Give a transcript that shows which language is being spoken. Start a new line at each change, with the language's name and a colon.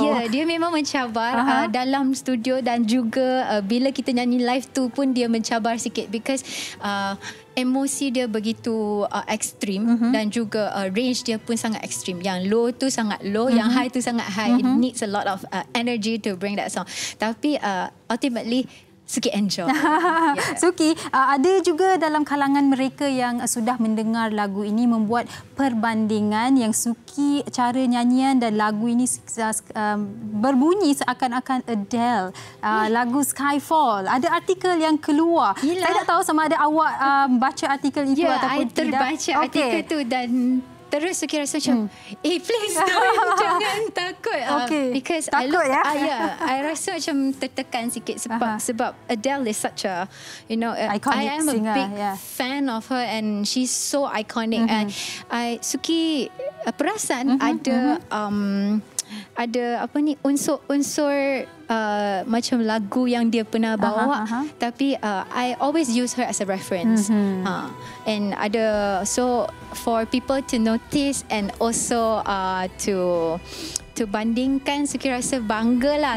Malay: Ya, dia memang mencabar dalam studio dan juga bila kita nyanyi live tu pun dia mencabar sikit,
English: because
Malay: emosi dia begitu ekstrim dan juga range dia pun sangat ekstrim. Yang low tu sangat low, yang high tu sangat high.
English: It needs a lot of energy to bring that song.
Malay: Tapi ultimately Suki enjoy. Suki, ada juga dalam kalangan mereka yang sudah mendengar lagu ini membuat perbandingan yang Suki cara nyanyian dan lagu ini berbunyi seakan-akan Adele. Lagu Skyfall. Ada artikel yang keluar. Saya tak tahu sama ada awak baca artikel itu ataupun tidak. Ya, terbaca artikel itu dan terus Suki rasa macam,
English: please don't,
Malay: jangan takut. Because takut, I rasa macam tertekan sikit sebab sebab Adele
English: is such a, you know, iconic I am singer, a big fan of her and she's so iconic.
Malay: And Suki perasan ada ada apa ni, unsur-unsur macam lagu yang dia pernah bawa. Tapi
English: I always use her as a reference.
Malay: And ada,
English: so for people to notice and also to
Malay: bandingkan, Suki rasa bangga lah.